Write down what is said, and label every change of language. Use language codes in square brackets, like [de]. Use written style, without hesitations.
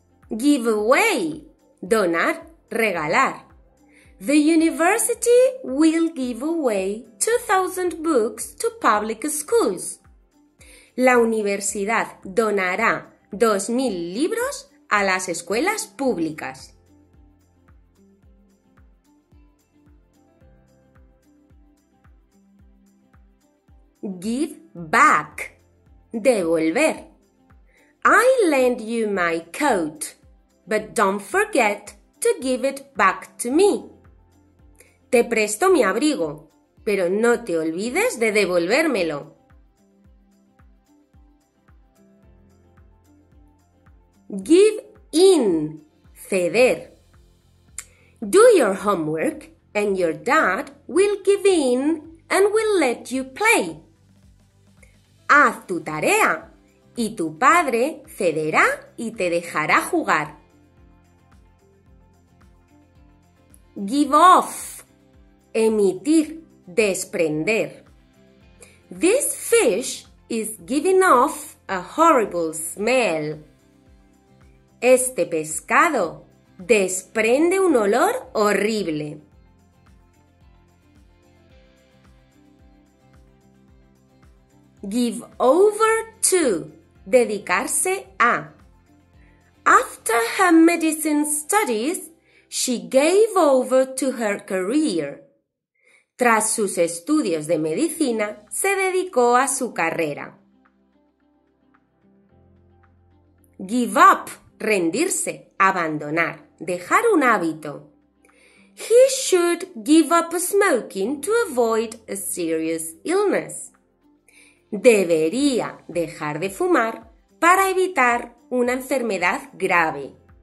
[en] Give away. [es] Donar, regalar. [en] The university will give away 2,000 books to public schools. [es] La universidad donará 2,000 libros a las escuelas públicas. [en] Give back. [es] Devolver. [en] I lend you my coat, but don't forget to give it back to me. [es] Te presto mi abrigo, pero no te olvides de devolvérmelo. [en] Give in. [es] Ceder. [en] Do your homework and your dad will give in and will let you play. [es] Haz tu tarea y tu padre cederá y te dejará jugar. [en] Give off. [es] Emitir, desprender. [en] This fish is giving off a horrible smell. [es] Este pescado desprende un olor horrible. [en] Give over to, [es] dedicarse a. [en] After her medicine studies, she gave over to her career. [es] Tras sus estudios de medicina, se dedicó a su carrera. [en] Give up, [es] rendirse, abandonar, dejar un hábito. [en] He should give up smoking to avoid a serious illness. [es] Debería dejar de fumar para evitar una enfermedad grave.